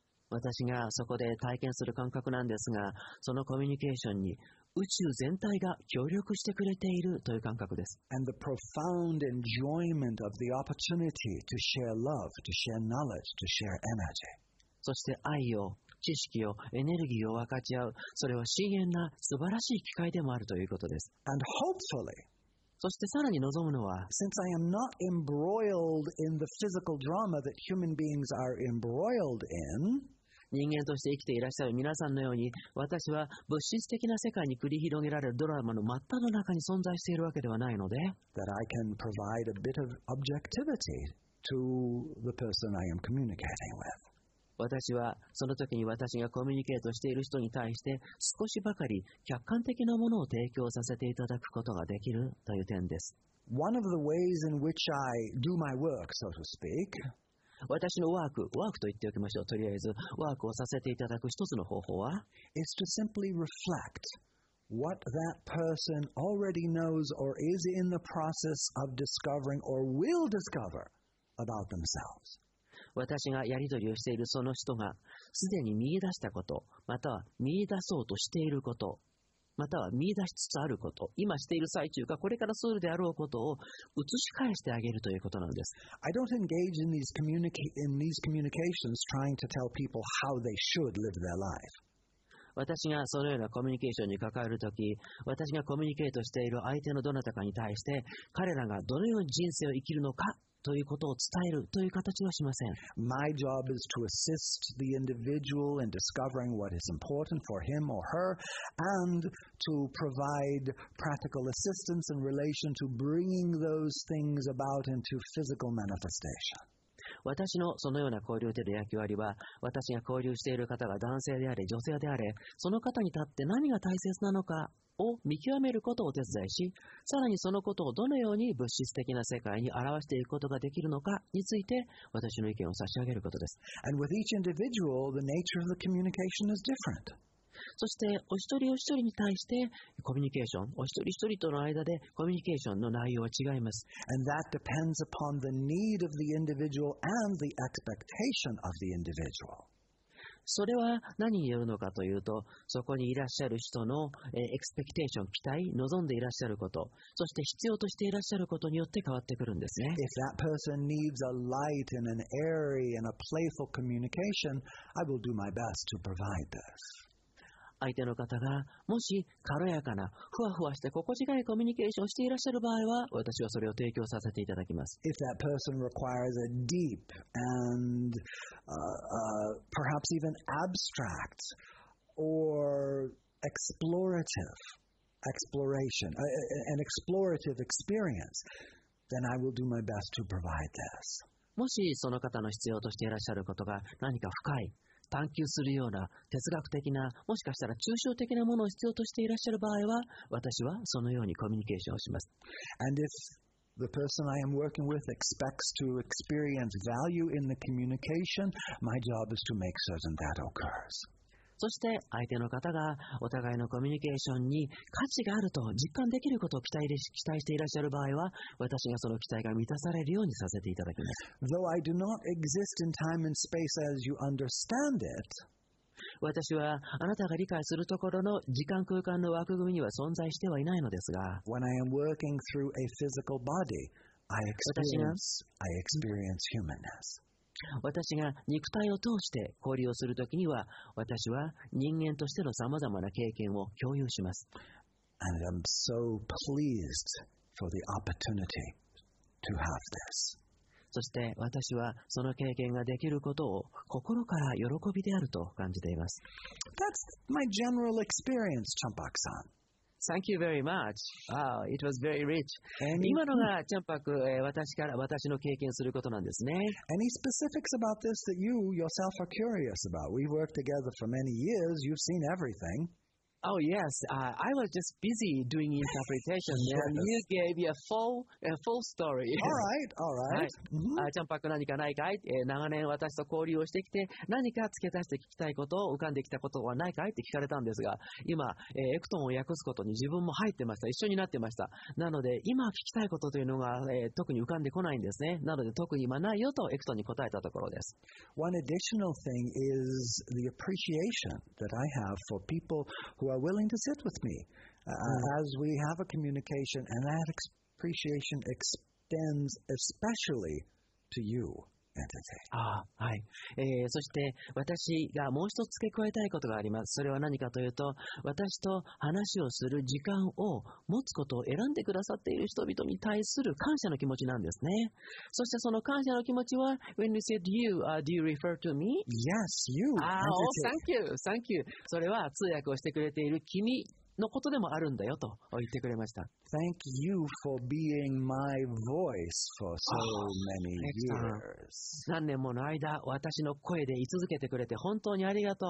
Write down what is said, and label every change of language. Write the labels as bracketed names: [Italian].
[Japanese] 私がそこで体験する感覚なんですが、そのコミュニケーションに宇宙全体が協力してくれているという感覚です。 [English] And the profound enjoyment of the opportunity to share love, to share knowledge, to share energy. [Japanese] そして愛を、知識を、エネルギーを分かち合う、それは深遠な素晴らしい機会でもあるということです。 [English] And hopefully, [Japanese] そしてさらに望むのは、 [English] Since I am not embroiled in the physical drama that human beings are embroiled in, [Japanese] 人間として生きていらっしゃる皆さんのように、私は物質的な世界に繰り広げられるドラマの真っ只中に存在しているわけではないので、 [English] that I can provide a bit of objectivity to the person I am communicating with. [Japanese] 私はその時に私がコミュニケートしている人に対して少しばかり客観的なものを提供させていただくことができるという点です。 [English] One of the ways in which I do my work, so to speak, [Japanese] 私のワークと言っておきましょう。とりあえずワークをさせていただく一つの方法は、 [English] is to simply reflect what that person already knows or is in the process of discovering or will discover about themselves. [Japanese] 私がやり取りをしているその人がすでに見出したこと、または見出そうとしていること、または見出しつつあること、今している最中かこれからするであろうことを移し返してあげるということなんです。 [English] I don't engage in these communications trying to tell people how they should live their life. [Japanese] 私がそのようなコミュニケーションに関わるとき、私がコミュニケートしている相手のどなたかに対して、彼らがどのような人生を生きるのかということを伝えるという形はしません。 [English] My job is to assist the individual in discovering what is important for him or her, and to provide practical assistance in relation to bringing those things about into physical manifestation. [Japanese] 私のそのような交流での役割は、私が交流している方が男性であれ、女性であれ、その方に立って何が大切なのかを見極めることをお手伝いし、さらにそのことをどのように物質的な世界に表していくことができるのかについて、私の意見を差し上げることです。 [English] And with each individual, the nature of the communication is different. [Japanese] そしてお一人お一人に対してコミュニケーション、お一人一人との間でコミュニケーションの内容は違います。 [English] And that depends upon the need of the individual and the expectation of the individual. [Japanese] それは何によるのかというと、そこにいらっしゃる人の、expectation、期待、望んでいらっしゃること、そして必要としていらっしゃることによって変わってくるんですね。 [English] If that person needs a light and an airy and a playful communication, I will do my best to provide this. [Japanese] 相手の方がもし軽やかなふわふわして心地がいいコミュニケーションをしていらっしゃる場合は私はそれを提供させていただきます。 [English] If that person requires a deep and perhaps even abstract or explorative exploration, an explorative experience, then I will do my best to provide this. [Japanese] もしその方の必要としていらっしゃることが何か深い探求するような哲学的なもしかしたら抽象的なものを必要としていらっしゃる場合は私はそのようにコミュニケーションをします。 [English] And if the person I am working with expects to experience value in the communication, my job is to make certain that occurs. [Japanese] そして相手の方がお互いのコミュニケーションに価値があると実感できることを期待していらっしゃる場合は私がその期待が満たされるようにさせていただきます。 [English] Though I do not exist in time and space as you understand it, [Japanese] 私はあなたが理解するところの時間空間の枠組みには存在してはいないのですが、 [English] When I am working through a physical body, I experience humanness. [Japanese] 私が肉体を通して交流をするときには、私は人間としてのさまざまな経験を共有します。 [English] And I'm so pleased for the opportunity to have this. [Japanese] そして私はその経験ができることを心から喜びであると感じています。 [English] That's my general experience, Champak-san. Thank you very much. Wow, it was very rich. [Japanese] 今のがチャンパク、私の経験することなんですね。 [English] Any specifics about this that you yourself are curious about? We've worked together for many years. You've seen everything. Oh, yes. I was just busy doing interpretation. Yes. And you gave me a full story. All right. [Japanese] はい。チャンパク何かないかい、長年私と交流をしてきて、何か付け足して聞きたいことを浮かんできたことはないかいって聞かれたんですが、今、エクトンを訳すことに自分も入ってました。一緒になってました。なので、今聞きたいことというのが、特に浮かんでこないんですね。なので、特に今ないよとエクトンに答えたところです。 [English] One additional thing is the appreciation that I have for people who are willing to sit with me as we have a communication, and that appreciation extends especially to you. [Japanese] ああはい、そして私がもう一つ付け加えたいことがあります。それは何かというと、私と話をする時間を持つことを選んでくださっている人々に対する感謝の気持ちなんですね。そしてその感謝の気持ちは、 [English] When you said you, do you refer to me? Yes, you. Thank you. [Japanese] それは通訳をしてくれている君のことでもあるんだよと言ってくれました。 [English] Thank you for being my voice for so many years. [Japanese] 何年もの間私の声で居続けてくれて本当にありがとう。